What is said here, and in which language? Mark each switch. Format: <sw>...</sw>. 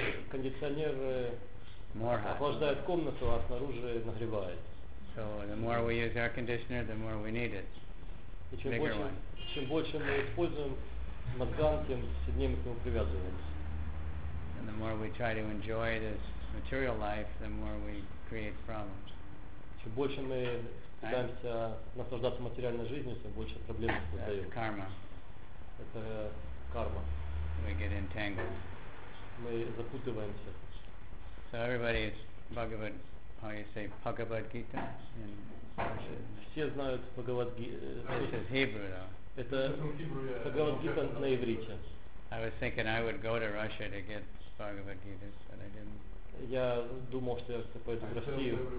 <ru>Кондиционер охлаждает комнату, а снаружи нагревает.</ru> <en>So the more we use air conditioner, the more we need it.</en> <ru>Чем больше мы используем мозган, тем сильнее мы к нему привязываемся.</ru> <en>And the more we try to enjoy this material life, the more we create problems.</en> <ru>Чем больше мы пытаемся наслаждаться материальной жизнью, тем больше проблем создаем.</ru> <en>That's karma.</en> <ru>Это карма.</ru> <en>We get entangled.</en> <ru>Мы запутываемся.</ru> <en>So everybody is Bhagavad, how you say, Bhagavad Gita in Russian.</en> <ru>Все знают Bhagavad Gita.</ru> <en>This is Hebrew, though.</en> <ru>Это Bhagavad Gita на иврите.</ru> <en>I was thinking I would go to Russia to get Bhagavad Gita, but I didn't.</en> <ru>Я думал, что я пойду в Россию.</ru>